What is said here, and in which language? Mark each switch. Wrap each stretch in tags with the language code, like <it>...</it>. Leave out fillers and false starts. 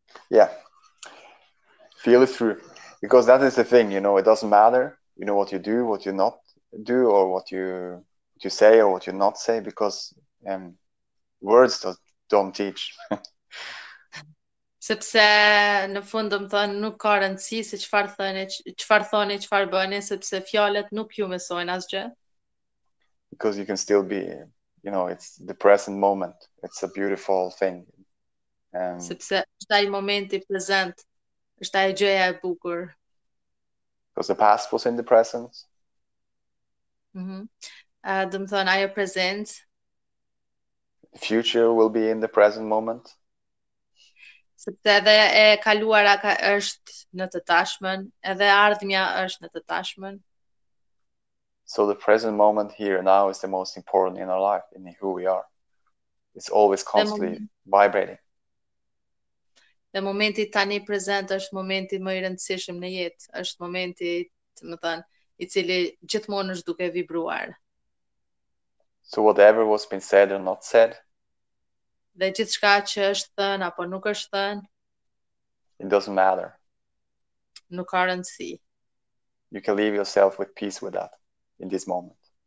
<en>Yeah. Feel it through, because that is the thing. You know, it doesn't matter. You know what you do, what you not do, or what you say, or what you not say, because words don't teach.</en> <sq>Sepse në fund do të thonë nuk ka rëndësi se çfarë thënë, çfarë thoni, çfarë bëni, sepse fjalët nuk ju mësojnë asgjë.</sq> <en>Because you can still be, you know, it's the present moment. It's a beautiful thing.</en> <sq>Sepse është ai momenti prezent. Është ai gjëja e bukur.</sq> <en>Because the past was in the present.</en> <sq>Do të thonë ajo prezencë.</sq> <en>The future will be in the present moment.</en> <sq>Sepse edhe e kaluara ka është në të tashmen, edhe ardhmja është në të tashmen.</sq> <en>So the present moment here now is the most important in our life, in who we are. It's always constantly vibrating.</en> <sq>Dhe momenti tani prezent është momenti më i rëndësishëm në jetë, është momenti, të më thënë, i cili gjithmonë është duke vibruar.</sq> <en>So whatever was been said or not said,</en> <sq>dhe gjithçka që është thënë apo nuk është thënë,</sq> <en>It doesn't matter. No currency. You can leave yourself with peace with that in this moment.</en>